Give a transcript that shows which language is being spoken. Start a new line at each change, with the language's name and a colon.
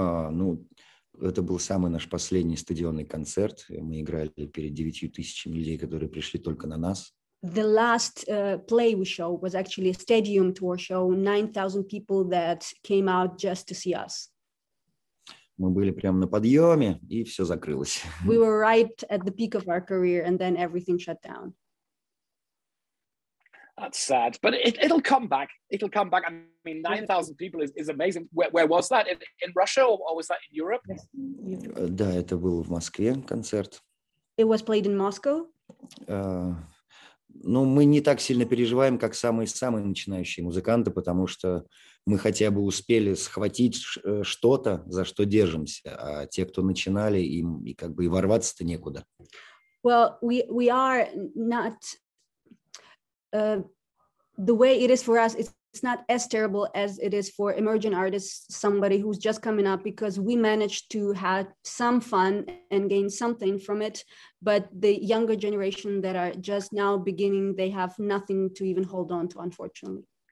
Russian: Ну, это был самый наш последний стадионный концерт. Мы играли перед 9000 людей, которые пришли только на нас.
English: The last play we show was actually a stadium tour show, 9000 people that came out just to see us.
Russian: Мы были прямо на подъеме, и все закрылось.
English: We were right at the peak of our career, and then everything shut down. That's sad, but it'll come back. It'll come back. I mean, 9,000 people is amazing. Where was that? In Russia or was that in Europe?
Russian: Да, это был в Москве концерт.
English: It was played in Moscow.
Russian: Ну, мы не так сильно переживаем, как самые начинающие музыканты, потому что мы хотя бы успели схватить что-то, за что держимся, а те, кто начинали, им и как бы и ворваться-то некуда.
English: Well, we are not. The way it is for us, it's not as terrible as it is for emerging artists, somebody who's just coming up, because we managed to have some fun and gain something from it. But the younger generation that are just now beginning, they have nothing to even hold on to, unfortunately.